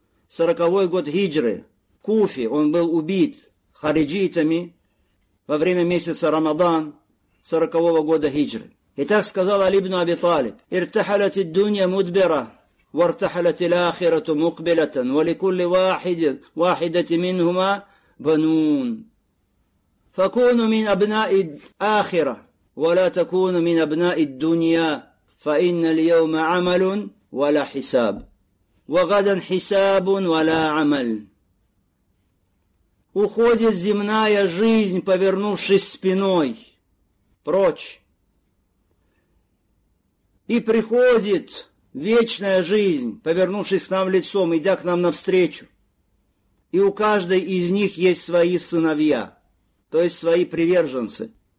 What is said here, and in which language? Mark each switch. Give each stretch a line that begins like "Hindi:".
Russian: 40-й год хиджры. Куфи, он был убит хариджитами во время месяца Рамадан 40-го года хиджры. И так сказал Али ибн Аби Талиб:
Arabic: «Иртахалати дунья мудбира, вартахалати лахирату мукбилатан, валикулли вахиди, вахидати минхума банун». فكونوا من أبناء الآخرة ولا تكونوا من أبناء الدنيا فإن اليوم عمل ولا حساب وغدا حساب ولا عمل.
Russian: Уходит земная жизнь, повернувшись спиной прочь, и приходит вечная жизнь, повернувшись к нам лицом, идя к нам навстречу. И у каждой из них есть свои сыновья, то есть свои приверженцы.